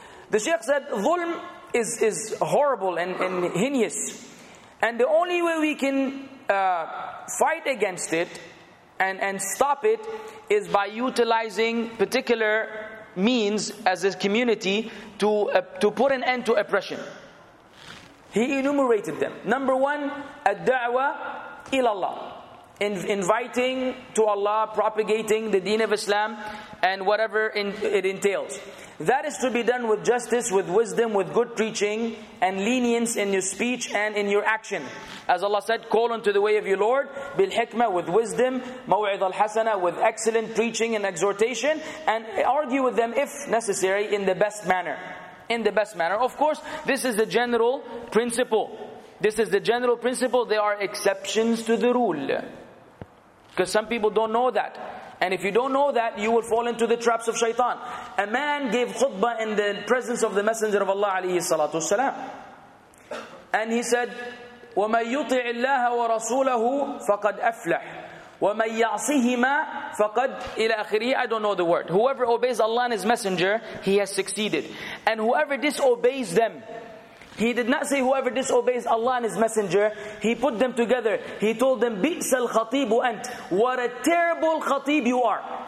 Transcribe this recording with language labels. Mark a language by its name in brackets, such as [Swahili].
[English] The Shaykh said, "Dhulm is horrible and heinous. And the only way we can fight against it and stop it is by utilizing particular means as a community to put an end to oppression." He enumerated them. Number one, [Arabic] الدعوة إلى الله. [English] Inviting to Allah, propagating the deen of Islam, and whatever it entails. That is to be done with justice, with wisdom, with good preaching, and lenience in your speech and in your action. As Allah said, call unto the way of your Lord, بالحكمة, with wisdom, [Arabic] مَوْعِظَ الْحَسَنَةِ, [English] with excellent preaching and exhortation, and argue with them if necessary in the best manner. In the best manner. Of course, this is the general principle. This is the general principle. There are exceptions to the rule. Because some people don't know that. And if you don't know that, you will fall into the traps of shaitan. A man gave khutbah in the presence of the Messenger of Allah alayhi salatu wasalam. And he said, [Arabic] وَمَنْ يُطِعِ اللَّهَ وَرَسُولَهُ فَقَدْ أَفْلَحْ وَمَنْ يَعْصِهِمَا فَقَدْ إِلَىٰ أَخِرِهِ. [English] I don't know the word. Whoever obeys Allah and His Messenger, he has succeeded. And whoever disobeys them, he did not say whoever disobeys Allah and His Messenger, he put them together. He told them, [Arabic] بِئْسَ الْخَطِيبُ أَنْتَ. [English] What a terrible khatib you are.